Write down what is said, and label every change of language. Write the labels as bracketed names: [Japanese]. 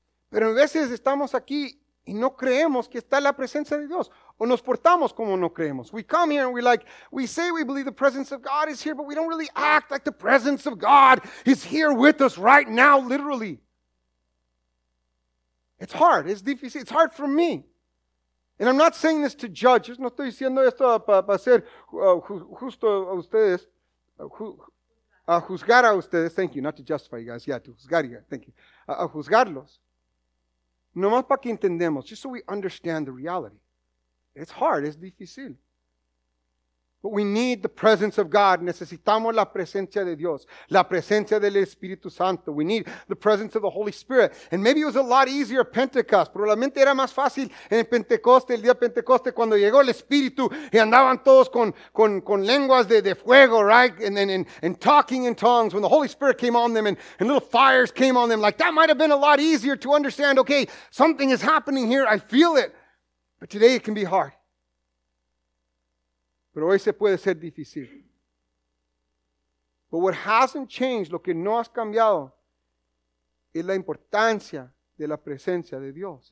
[Spanish] Pero a veces estamos aquí y no creemos que está la presencia de Dios. O nos portamos como no creemos. [English] We come here and we like, we say we believe the presence of God is here, but we don't really act like the presence of God is here with us right now, literally. It's hard. It's difficult. It's hard for me. And I'm not saying this to judge. [Spanish] No estoy diciendo esto para ser justo a ustedes. A juzgar a ustedes. [English] Thank you. Not to justify you guys. Yeah, to juzgar you guys. Thank you. [Spanish] A juzgarlos. Nomás para que entendemos. [English] Just so we understand the reality. It's hard. It's difícil. But we need the presence of God. [Spanish] Necesitamos la presencia de Dios. La presencia del Espíritu Santo. [English] We need the presence of the Holy Spirit. And maybe it was a lot easier at Pentecost. [Spanish] Probablemente era más fácil en Pentecoste, el día Pentecoste, cuando llegó el Espíritu y andaban todos con lenguas de fuego, right? [English] And talking in tongues when the Holy Spirit came on them and little fires came on them. Like, that might have been a lot easier to understand. Okay, something is happening here. I feel it. But today it can be hard. [Spanish] Pero hoy se puede ser difícil. [English] But what hasn't changed, [Spanish] lo que no has cambiado, es la importancia de la presencia de Dios.